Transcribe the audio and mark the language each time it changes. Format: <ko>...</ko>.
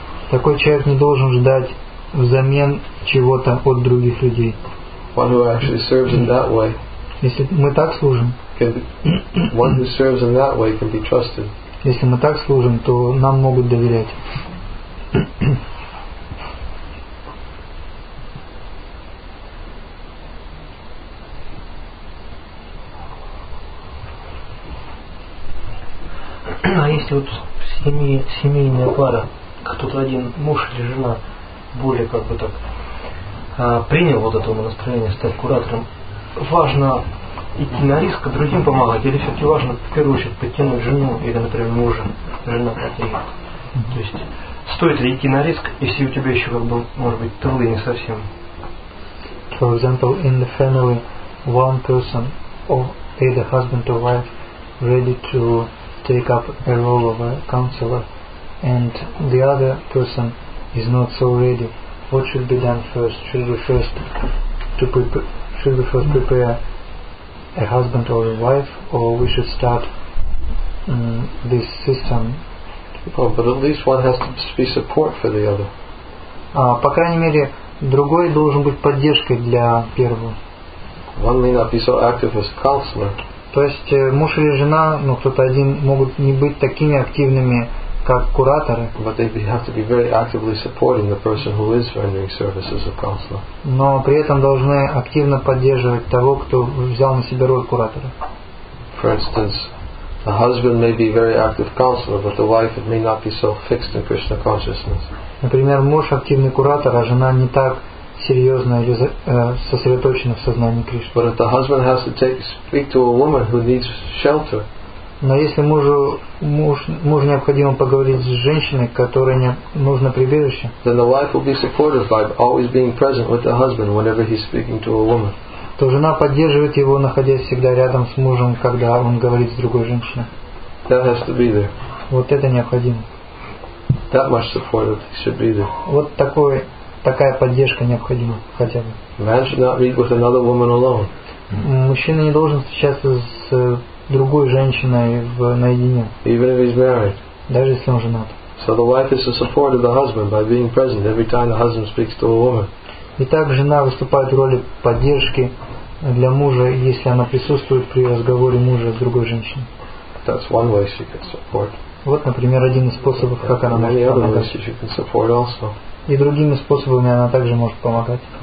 <ru>Такой человек не должен ждать взамен чего-то от других людей.</ru> <en>One who actually serves in that way.</en> <ru>Если мы так служим,</ru> <en>one who serves in that way can be trusted.</en> <ru>Если мы так служим, то нам могут доверять. А если вот семейная пара, кто-то один муж или жена более как бы так принял вот это настроение стать куратором, важно идти на риск, а другим помогать, или все-таки важно в первую очередь подтянуть жену или, например, мужа, жена протеет. То есть стоит ли идти на риск, если у тебя еще как бы, может быть, трудно не совсем.</ru> <en>For example, in the family, one person or either husband or wife ready to take up a role of a counselor, and the other person is not so ready. What should be done first? Should we first prepare a husband or a wife, or we should start this system? Oh, but at least one has to be support for the other.</en> <ru>По крайней мере, другой должен быть поддержкой для первого.</ru> <en>One may not be so active as counselor.</en> <ru>То есть муж или жена, ну кто-то один, могут не быть такими активными, как кураторы.</ru> <en>But they have to be very actively supporting the person who is rendering services of counselor.</en> <ru>Но при этом должны активно поддерживать того, кто взял на себя роль куратора.</ru> <en>For instance, the husband may be very active counselor, but the wife may not be so fixed in Krishna consciousness.</en> <ru>Например, муж активный куратор, а жена не так серьезно или сосредоточено в сознании Кришны.</ru> <en>But if the husband has to take speak to a woman who needs shelter.</en> <ru>Но если мужу необходимо поговорить с женщиной, которой нужно прибежище.</ru> <en>Then the wife will be supported by always being present with the husband whenever he's speaking to a woman.</en> <ru>То жена поддерживает его, находясь всегда рядом с мужем, когда он говорит с другой женщиной.</ru> <en>That has to be there.</en> <ru>Вот это необходимо.</ru> <en>That much support that should be there.</en> <ru>Вот такой такая поддержка необходима хотя бы.</ru> <en>Man should not meet with another woman alone.</en> <ru>Мужчина не должен встречаться с другой женщиной наедине.</ru> <en>Even if he's married.</en> <ru>Даже если он женат.</ru> <en>So the wife is the support of the husband by being present every time the husband speaks to a woman.</en> <ru>Итак, жена выступает в роли поддержки для мужа, если она присутствует при разговоре мужа с другой женщиной.</ru> <en>That's one way she can support.</en> <ru>Вот, например, один из способов, как она может помогать. И другими способами она также может помогать.</ru>